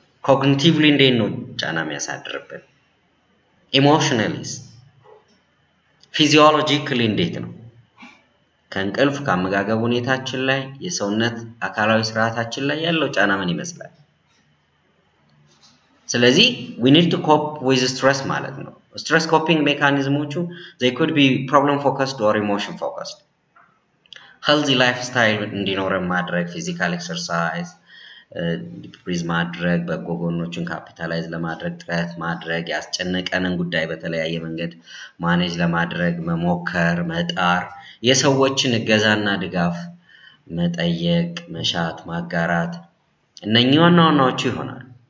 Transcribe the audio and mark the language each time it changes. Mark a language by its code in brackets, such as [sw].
[am] ኮግኒቲቭሊ እንዴት ነው ጫናም ያሳድርብን ኢሞሽናሊስ ፊዚዮሎጂካሊ እንዴት ነው ከእንቅልፍ ከአመጋገብ ሁኔታችን ላይ የሰውነት አካላዊ ስርዓታችን ላይ ያለው ጫና ምን ይመስላል? [en] ስለዚህ we need to cope with stress [am] ማለት ነው. [en] stress coping mechanismsዎቹ they could be problem focused or emotion focused. [am] healthy lifestyle እንዲኖረን ማድረግ physical exercise ፕሪዝ ማድረግ በጎ ጎኖችን ካፒታላይዝ ለማድረግ ጥረት ማድረግ ያስጨነቀንን ጉዳይ በተለያየ መንገድ ማኔጅ ለማድረግ መሞከር መጣር የሰዎችን እገዛና ድጋፍ መጠየቅ መሻት ማጋራት እነኚህና ነውናዎቹ ይሆናል